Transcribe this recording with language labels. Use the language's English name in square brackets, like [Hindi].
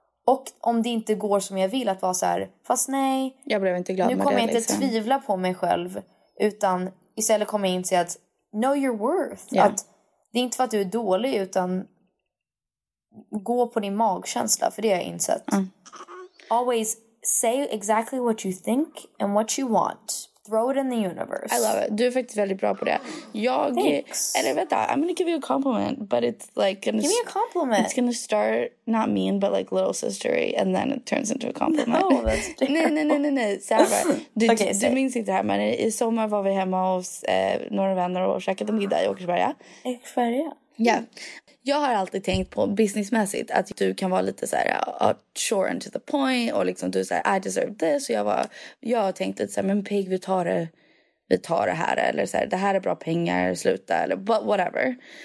[Swedish] Och om det inte går som jag vill att vara så här, fast nej. Jag blev inte glad med det. Nu kommer jag inte liksom tvivla på mig själv. Utan istället kommer jag inse att [English] know your worth. Yeah. [Swedish] Att det är inte för att du är dålig utan gå på din magkänsla. För det har jag insett. Mm. [English] Always say exactly what you think and what you want. Throw it in the universe. I love it. [Swedish] Du är faktiskt väldigt bra på det. Jag, eller vänta, [English] I'm gonna give you a compliment, but it's like... Give me a compliment. It's gonna start, not mean, but like little sistery, and then it turns into a compliment. No, that's terrible. [Swedish] Nej. Sarah, du minns inte det här, men i sommar var vi hemma hos några vänner och käkade middag i Åkersberga. Ja. Jag har alltid tänkt på businessmässigt att du kan vara lite så här [English] short and to the point [Swedish] och liksom du säger [English] I deserve this, [Swedish] så jag har tänkt lite så här, men Pig, vi tar det här, eller så här, det här är bra pengar, sluta, eller [English] but whatever.